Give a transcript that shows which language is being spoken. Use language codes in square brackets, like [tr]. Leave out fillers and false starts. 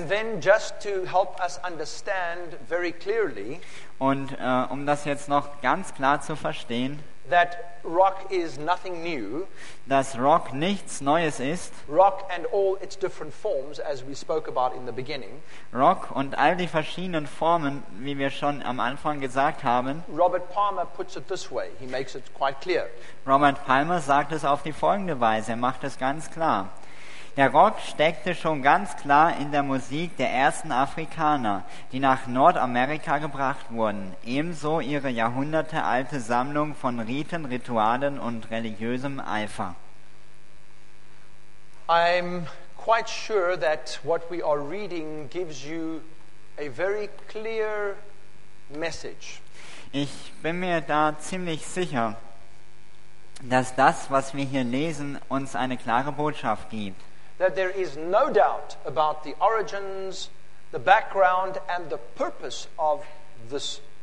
[en] And then, just to help us understand very clearly, [de] und um das jetzt noch ganz klar zu verstehen, [en] that rock is nothing new, [de] dass Rock nichts Neues ist, [en] rock and all its different forms, as we spoke about in the beginning, [de] Rock und all die verschiedenen Formen, wie wir schon am Anfang gesagt haben, [en] Robert Palmer puts it this way, he makes it quite clear. [de] Robert Palmer sagt es auf die folgende Weise, er macht es ganz klar. Der Rock steckte schon ganz klar in der Musik der ersten Afrikaner, die nach Nordamerika gebracht wurden, ebenso ihre jahrhundertealte Sammlung von Riten, Ritualen und religiösem Eifer. [en] I'm quite sure that what we are reading gives you a very clear message. [de] Ich bin mir da ziemlich sicher, dass das, was wir hier lesen, uns eine klare Botschaft gibt. [en] That there is no doubt about the origins, the background, and the purpose of this